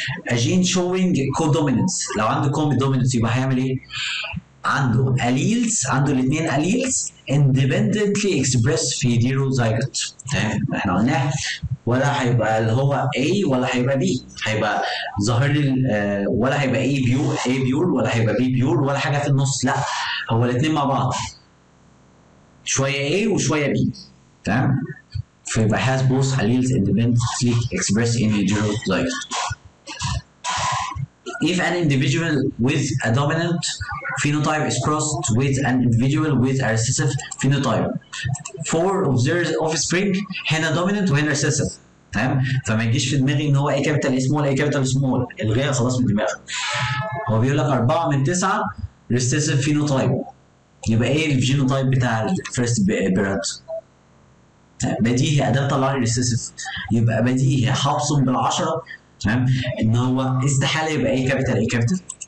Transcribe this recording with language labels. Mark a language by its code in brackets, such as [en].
[ar] اجين شوينج كو دومينانس، لو عنده كومي دومينانس يبقى هيعمل ايه؟ عنده اليلز، عنده الاثنين اليلز اندبندنتلي اكسبريس في هيتيروزايجوت تمام. احنا قلناها ولا هيبقى اللي هو A ولا هيبقى B، هيبقى ظاهر لي ولا هيبقى A بيور، A بيور ولا هيبقى B بيور ولا حاجه في النص، لا هو الاثنين مع بعض شويه A وشويه B تمام. [en] فيبقى has both alleles independently expressed in heterozygous. If an individual with a dominant phenotype is crossed with an individual with a recessive phenotype, four observed offspring هنا dominant وهنا recessive تمام. [ar] فما يجيش في دماغي ان هو A capital small A capital small، الغيه خلاص من دماغك. هو بيقول لك 4 من 9 recessive phenotype، يبقى ايه الجينوتايب بتاع الفيرست بيرنت؟ بديهي اداه طلع لي ريسيسيف، يبقى بديهي حبصم بالعشره تمام ان هو استحاله يبقى اي كابيتال اي كابيتال.